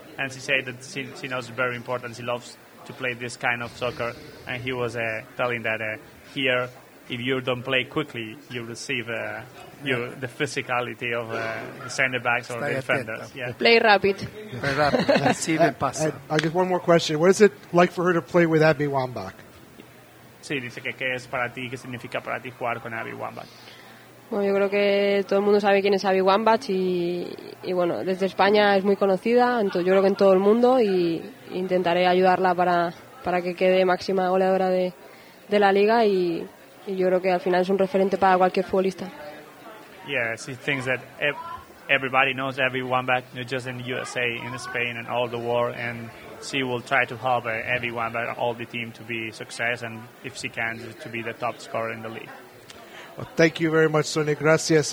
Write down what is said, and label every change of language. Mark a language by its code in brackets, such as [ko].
[en] And she said that she knows it's very important. She loves to play this kind of soccer, and he was telling that here, if you don't play quickly, you receive the physicality of the center backs or the defenders. Yeah. Play rapid. Play rapid. I guess one more question. What is it like for her to play with Abby Wambach? [es] Sí, dice que qué es para ti, qué significa para ti jugar con Abby Wambach. Bueno, yo creo que todo el mundo sabe quién es Abby Wambach, y bueno, desde España es muy conocida, entonces yo creo que en todo el mundo, y intentaré ayudarla para que quede máxima goleadora de la liga, y yo creo que al final es un referente para cualquier futbolista. [en] Yeah, she thinks that everybody knows Abby Wambach, not just in the USA, in Spain, and all the world. And she will try to help Abby Wambach, all the team, to be success, and if she can, to be the top scorer in the league. Well, thank you very much, Sonia. [es] Gracias.